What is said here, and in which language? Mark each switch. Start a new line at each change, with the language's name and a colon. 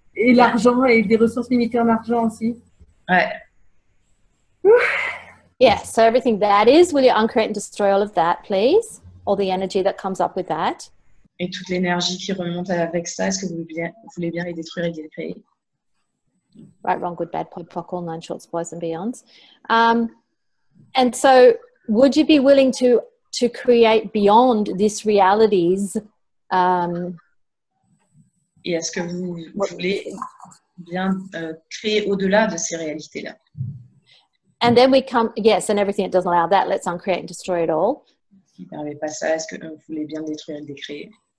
French: Et l'argent, et des ressources limitées en argent aussi. Ouais.
English: Yeah, so everything that is, will you uncreate and destroy all of that, please? All the energy that comes up with that.
French: Et toute l'énergie qui remonte avec ça, est-ce que vous voulez bien les détruire et les créer?
English: Right, wrong, good, bad, pop, all nine shorts, boys and beyonds. And so, would you be willing to create beyond this reality's...
French: Et est-ce que vous voulez bien créer au-delà de ces réalités-là?
English: And then we come... Yes, and everything that doesn't allow that, let's uncreate and destroy it all.
French: Si vous n'avez pas ça, est-ce que vous voulez bien détruire et décréer?